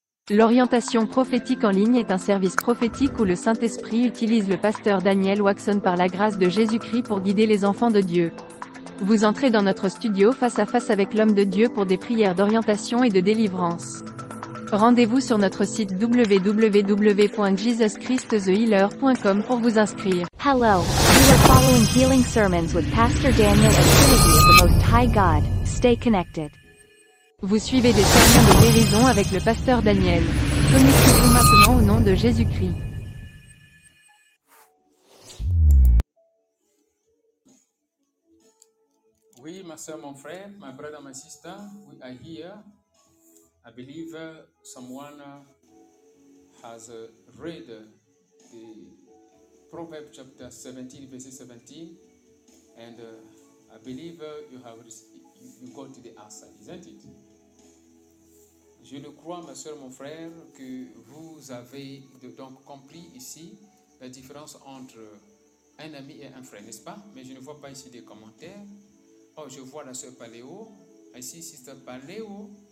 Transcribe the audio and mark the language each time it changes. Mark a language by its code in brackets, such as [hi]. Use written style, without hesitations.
[fr] L'orientation prophétique en ligne est un service prophétique où le Saint-Esprit utilise le pasteur Daniel Waxon par la grâce de Jésus-Christ pour guider les enfants de Dieu. Vous entrez dans notre studio face à face avec l'homme de Dieu pour des prières d'orientation et de délivrance. Rendez-vous sur notre site www.jesuschristthehealer.com pour vous inscrire. [en] Hello, you are following Healing Sermons with Pastor Daniel of Trinity of the Most High God. Stay connected. [fr] Vous suivez des sermons de guérison avec le pasteur Daniel. Connectez-vous maintenant au nom de Jésus-Christ. Oui, ma soeur, mon frère, [en] my brother, my sister, we are here. I believe someone has read the Proverbs chapter 17, verse 17, and I believe you got the answer, isn't it? [fr] Je le crois, ma soeur, mon frère, que vous avez donc compris ici la différence entre un ami et un frère, n'est-ce pas? Mais je ne vois pas ici des commentaires. Oh, je vois la sœur Paléo. [en] I see Sister Paléo.